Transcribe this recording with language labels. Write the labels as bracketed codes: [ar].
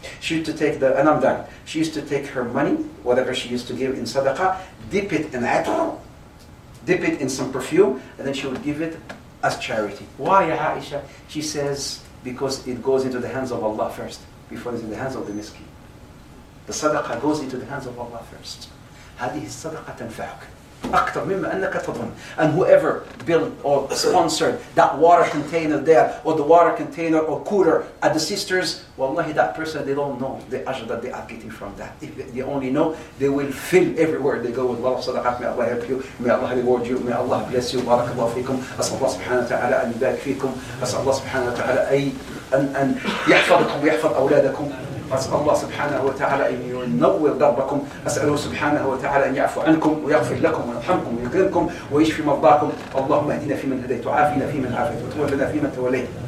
[en] She used to take the, and I'm done. She used to take her money, whatever she used to give in sadaqah, dip it in atar, dip it in some perfume, and then she would give it as charity. Why, Aisha? She says, because it goes into the hands of Allah first, before it's in the hands of the miskin. The sadaqah goes into the hands of Allah first. [ar] هذه الصدقة تنفعك أكثر مما أنك تظن. [en] And whoever built or sponsored that water container there, or the water container or cooler at the sisters, wallahi, that person, they don't know the ajr that they are getting from that. If they only know, they will fill everywhere they go with wealth صدقات. May Allah help you, may Allah reward you, may Allah bless you. [ar] بارك الله فيكم. أسأل الله سبحانه وتعالى أن يبارك فيكم. أسأل الله سبحانه وتعالى أن يحفظكم ويحفظ أولادكم. أسأل الله سبحانه وتعالى أن ينور دربكم. أسأله سبحانه وتعالى أن يعفو عنكم ويغفر لكم ويرحمكم ويكرمكم ويشفي مرضاكم. اللهم اهدنا فيمن هديت وعافنا فيمن عافيت وتولنا فيمن توليت.